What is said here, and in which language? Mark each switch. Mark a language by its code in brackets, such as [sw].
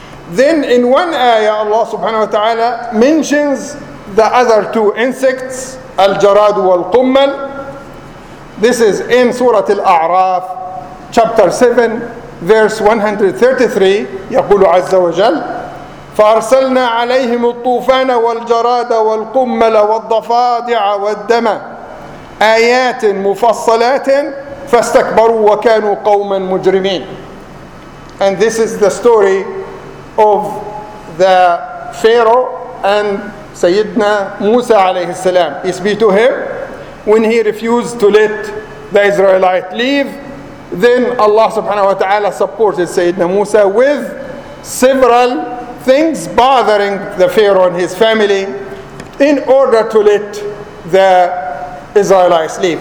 [en] Then in one ayah, Allah subhanahu wa ta'ala mentions the other two insects, al-jarad wal-qummal. This is in Surah Al-A'raf, chapter 7, verse 133. [ar] يَقُولُ عَزَّ وَجَلَّ فَأَرْسَلْنَا عَلَيْهِمُ الطُّوفَانَ وَالْجَرَادَ وَالْقُمَّلَ وَالضَّفَادِعَ وَالدَّمَ آيات مفصلات فاستكبروا وكانوا قوما مجرمين. [en] And this is the story of the Pharaoh and Sayyidina Musa alayhi salam. Peace be to him. When he refused to let the Israelite leave, then Allah subhanahu wa ta'ala supported Sayyidina Musa with several things bothering the Pharaoh and his family in order to let the Israelites leave.